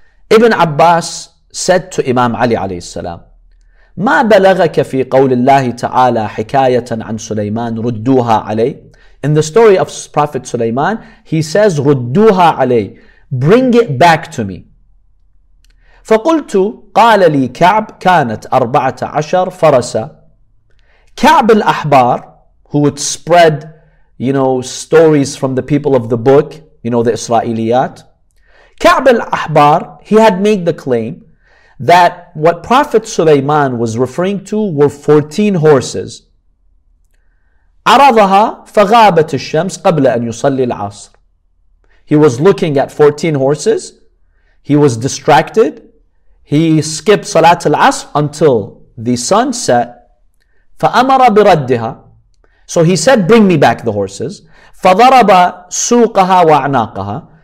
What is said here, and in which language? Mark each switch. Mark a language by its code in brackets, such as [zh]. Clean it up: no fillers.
[en] Ibn Abbas said to Imam Ali alayhi salam, [ar] ما بلغك في قول الله تعالى حكاية عن سليمان ردوها علي. [en] In the story of Prophet Sulaiman, he says [ar] ردوها علي, [en] bring it back to me. [ar] فقلت قال لي كعب كانت 14 فرسا. [en] كعب الأحبار, who would spread, you know, stories from the people of the book, you know, the Israeliyat. كعب الأحبار, he had made the claim that what Prophet Sulaiman was referring to were 14 horses. [ar] عرضها فغابت الشمس قبل أن يصلي العصر. [en] He was looking at 14 horses. He was distracted. He skipped Salat al-Asr until the sun set. [ar] فأمر بردها. [en] So he said, bring me back the horses. [ar] فضرب سوقها وعناقها.